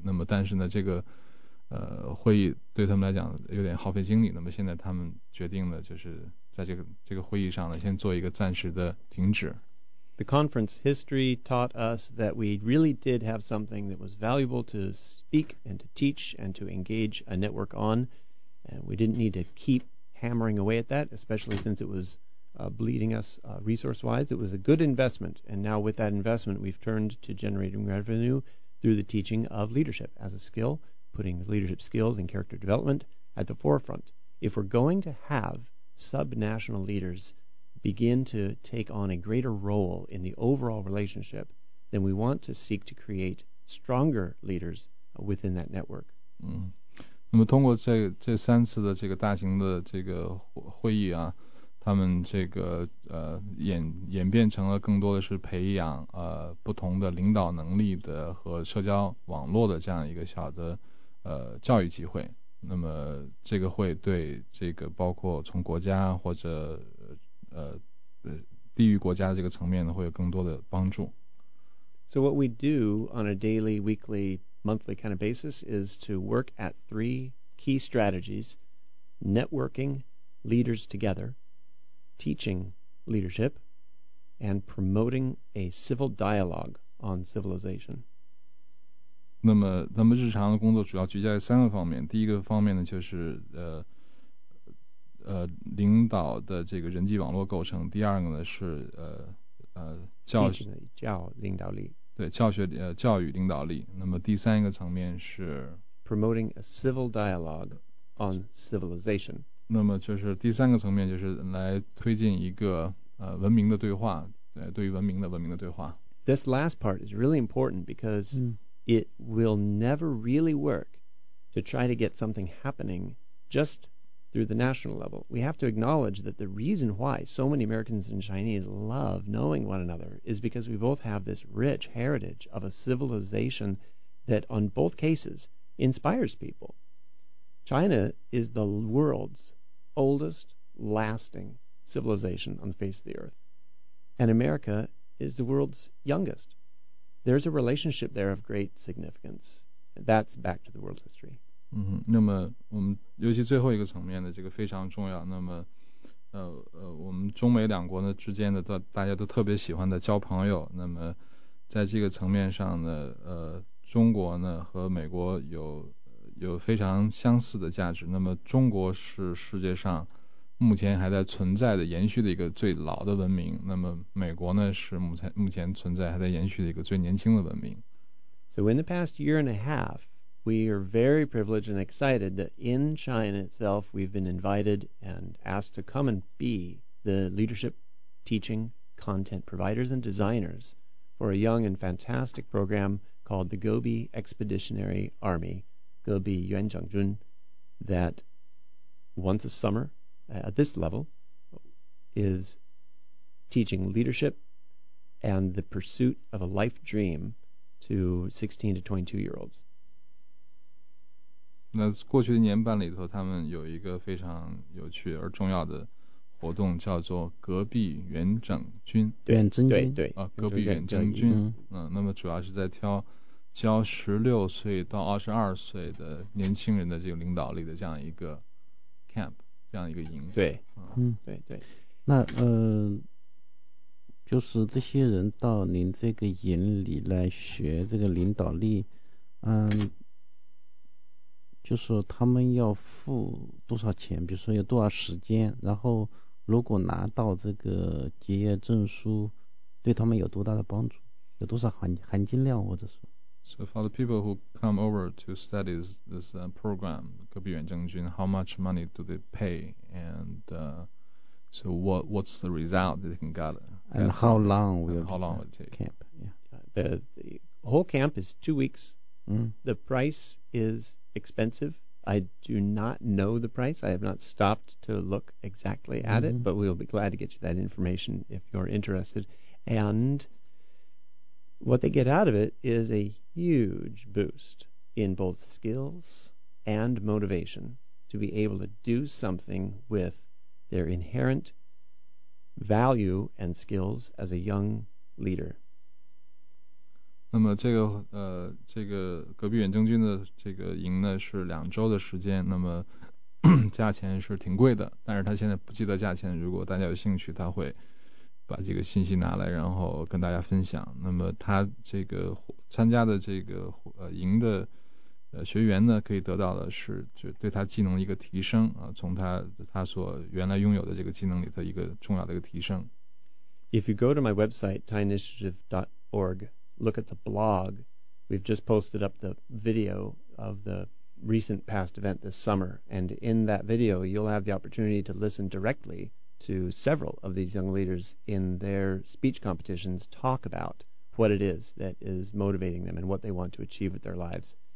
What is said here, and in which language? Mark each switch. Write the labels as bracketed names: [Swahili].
[Chinese] 那么但是呢，这个会议对他们来讲有点耗费精力。那么现在他们决定了，就是在这个会议上呢，先做一个暂时的停止。 [English] The conference history taught us that we really did have something that was valuable to speak and to teach and to engage a network on. And we didn't need to keep hammering away at that, especially since it was bleeding us resource-wise. It was a good investment, and now with that investment, we've turned to generating revenue through the teaching of leadership as a skill, putting leadership skills and character development at the forefront. If we're going to have sub-national leaders begin to take on a greater role in the overall relationship, then we want to seek to create stronger leaders within that network. Mm-hmm. [Chinese] 那么通过这三次的这个大型的这个会议啊，他们这个演变成了更多的是培养不同的领导能力的和社交网络的这样一个小的教育机会。那么这个会对这个包括从国家或者地域国家的这个层面呢，会有更多的帮助。 [English] So what we do on a daily, weekly. Monthly kind of basis is to work at three key strategies: networking leaders together, teaching leadership, and promoting a civil dialogue on civilization. [Chinese] 那么他们日常的工作主要聚焦在三个方面。第一个方面呢，就是领导的这个人际网络构成。第二个呢是教领导力。对教学教育领导力。那么第三个层面是 [English] promoting a civil dialogue on civilization。 [Chinese] 那么就是第三个层面就是来推进一个文明的对话，对于文明的对话。 [English] This last part is really important because it will never really work to try to get something happening just through the national level. We have to acknowledge that the reason why so many Americans and Chinese love knowing one another is because we both have this rich heritage of a civilization that, on both cases, inspires people. China is the world's oldest lasting civilization on the face of the earth, and America is the world's youngest. There's a relationship there of great significance. That's back to the world history. [Chinese] 那么我们尤其最后一个层面的这个非常重要。那么我们中美两国呢之间的大家都特别喜欢的交朋友，那么在这个层面上呢中国呢和美国有非常相似的价值。那么中国是世界上目前还在存在的延续的一个最老的文明，那么美国呢是目前存在还在延续的一个最年轻的文明。 [English] So in the past year and a halfWe are very privileged and excited that in China itself we've been invited and asked to come and be the leadership, teaching, content providers and designers for a young and fantastic program called the Gobi Expeditionary Army, Gobi Yuanzhangjun, that once a summer at this level is teaching leadership and the pursuit of a life dream to 16 to 22 year olds. [Chinese] 那过去的年半里头，他们有一个非常有趣而重要的活动，叫做“戈壁远征军”。远征军，对啊，戈壁远征军。那么主要是在挑教16岁到22岁的年轻人的这个领导力的这样一个 camp， 这样一个营。对，嗯，对对。那就是这些人到您这个营里来学这个领导力，嗯，就是他们要付多少钱？比如说有多少时间？然后如果拿到这个结业证书，对他们有多大的帮助？有多少含金量？或者说 [English] ，So for the people who come over to study this program, 戈壁远征军 ，how much money do they pay? And so what's the result they can get? And how long will how long will it take? Camp, yeah. The whole camp is 2 weeks.、 Mm. The price is expensive. I do not know the price. I have not stopped to look exactly at、mm-hmm. it, but we'll be glad to get you that information if you're interested. And what they get out of it is a huge boost in both skills and motivation to be able to do something with their inherent value and skills as a young leader. [Chinese] 那么这个戈壁远征军的这个营呢是2周的时间，那么价钱是挺贵的，但是他现在不记得价钱，如果大家有兴趣他会把这个信息拿来然后跟大家分享。那么他这个参加的这个营的学员呢可以得到的是就对他技能一个提升啊，从他所原来拥有的这个技能里头一个重要的一个提升。 [English] If you go to my website thainitiative.org, look at the blog, we've just posted up the video of the recent past event this summer, and in that video you'll have the opportunity to listen directly to several of these young leaders in their speech competitions talk about what it is that is motivating them and what they want to achieve with their lives.